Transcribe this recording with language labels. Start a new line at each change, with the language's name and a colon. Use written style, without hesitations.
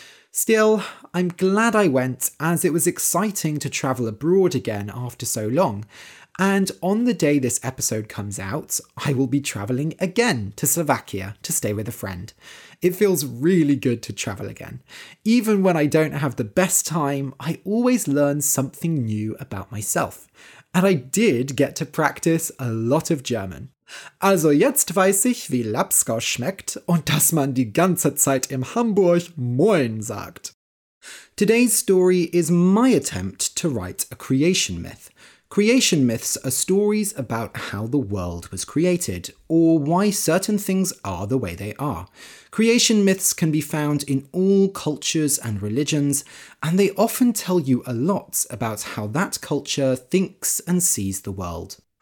English: Still, I'm glad I went, as it was exciting to travel abroad again after so long, and on the day this episode comes out, I will be traveling again to Slovakia to stay with a friend. It feels really good to travel again. Even when I don't have the best time, I always learn something new about myself. And I did get to practice a lot of German.
German: Also jetzt weiß ich, wie Lapskaus schmeckt und dass man die ganze Zeit im Hamburg Moin sagt.
English: Today's story is my attempt to write a creation myth. Creation myths are stories about how the world was created, or why certain things are the way they are. Creation myths can be found in all cultures and religions, and they often tell you a lot about how that culture thinks and sees the world.